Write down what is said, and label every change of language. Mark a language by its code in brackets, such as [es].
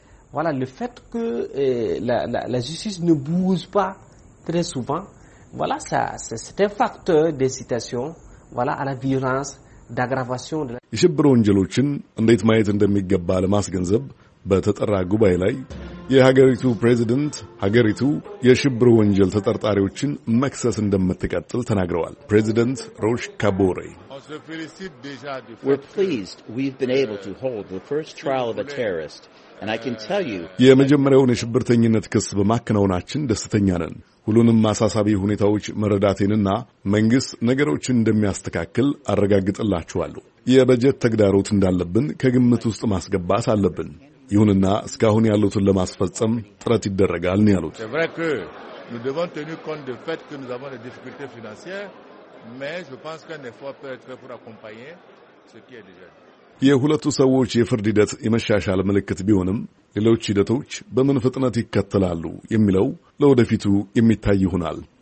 [fr] Voilà le fait que la justice ne bouge pas très souvent. Voilà, ça c'est un facteur d'incitation voilà à la violence, d'aggravation de la [am] የሽብር ወንጀሎችን እንዴት ማየት እንደሚገባ ለማስገንዘብ በተጠራ ጉባኤ ላይ የሀገሪቱ ፕሬዚደንት ሀገሪቱ የሽብር ወንጀል ተጠርጣሪዎችን መክሰስ እንደምትቀጥል ተናግረዋል። ፕሬዚደንት ሮሽ ካቦሬ [en] We're pleased we've been able to hold the first trial of a terrorist and I can tell you [am] የመጀመሪያውን የሽብርተኝነት ክስ በማከናወናችን ደስተኛ ነን። ሁሉንም ማሳሳቢ ሁኔታዎች መረዳቴንና መንግስት ነገሮችን እንደሚያስተካክል አረጋግጥላችኋለሁ። የበጀት ተግዳሮት እንዳለብን ከግምት ውስጥ ማስገባት አለብን። ይሁንና እስካሁን ያሉትን ለማስፈጸም ጥረት ይደረጋል ነው ያሉት። [fr] Nous devons tenir compte du fait que nous avons des difficultés financières mais je pense qu'un effort peut être fait pour accompagner ce qui est déjà [am] የሁለቱ ሰዎች የፍርድ ሂደት የመሻሻል ምልክት ቢሆንም ሌሎች ሂደቶች በምን ፍጥነት ይከተላሉ የሚለው ለወደፊቱ የሚታይ ይሆናል።